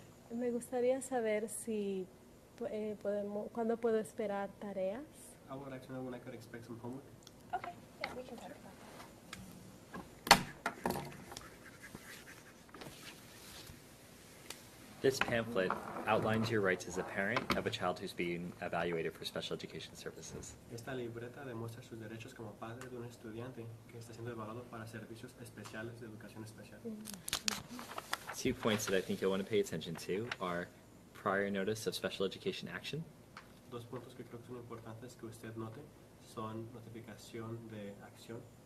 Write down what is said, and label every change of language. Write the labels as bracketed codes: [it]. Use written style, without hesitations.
[es] Me gustaría saber si podemos, ¿cuándo puedo esperar tareas? [en] I would like to know when I could expect some homework. Okay, yeah, we can talk about that. Thank you. This pamphlet outlines your rights as a parent of a child who's being evaluated for special education services. [es] Esta libreta demuestra sus derechos como padre de un estudiante que está siendo evaluado para servicios especiales de educación especial. [en] Two points that I think you'll want to pay attention to are prior notice of special education action. [es] Dos puntos que creo que son importantes que usted note son notificación de acción.